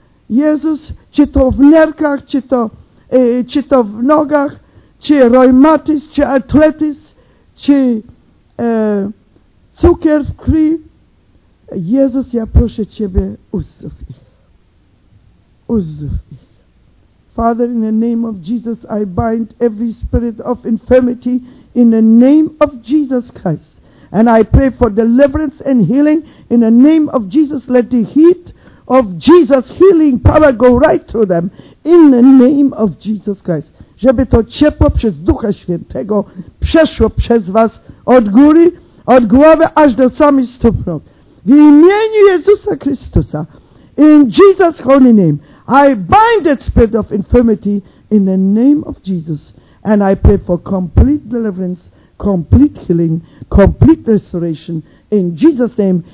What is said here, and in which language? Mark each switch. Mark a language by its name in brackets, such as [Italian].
[Polish] Jezus, czy to w nerkach, czy to w nogach, czy reumatyzm, czy artrytyzm, czy cukier w krwi. Jezus, ja proszę Ciebie, uzdrów ich. Uzdrów ich. [English] Father, in the name of Jesus, I bind every spirit of infirmity in the name of Jesus Christ. And I pray for deliverance and healing in the name of Jesus. Let the heat of Jesus, healing power go right to them in the name of Jesus Christ. [Polish] Żeby to ciepło przez Ducha Świętego przeszło przez was od góry, od głowy aż do samych stóp nóg. W imieniu Jezusa Chrystusa, [English] in Jesus' holy name, I bind that spirit of infirmity in the name of Jesus, and I pray for complete deliverance, complete healing, complete restoration in Jesus' name.